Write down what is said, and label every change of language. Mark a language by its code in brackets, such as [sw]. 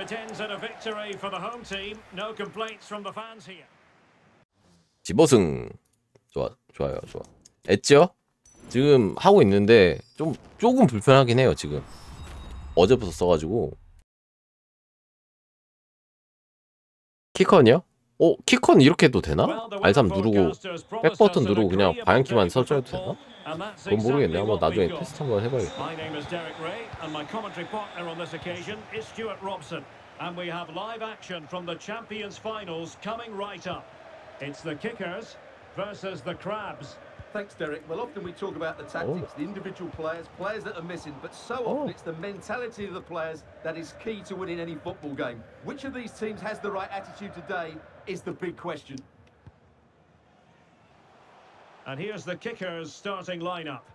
[en] It ends at a victory for the home team. No complaints from the fans here. [ko] 지보승 좋아 좋아요 좋아. 했죠? 지금 하고 있는데 좀 조금 불편하긴 해요 지금. 어제부터 써가지고 키컨이요? 오 키컨 이렇게도 되나? R3 누르고 백 버튼 누르고 그냥 방향키만 설정해도 되나? 그건 모르겠네. 한번 나중에 테스트 한번 해봐야겠다. [en] Thanks, Derek. Well, often we talk about the tactics, the individual players, players that are missing, but so often it's the mentality of the players that is key to winning any football game. Which of these teams has the right attitude today is the big question. And here's the kicker's starting lineup.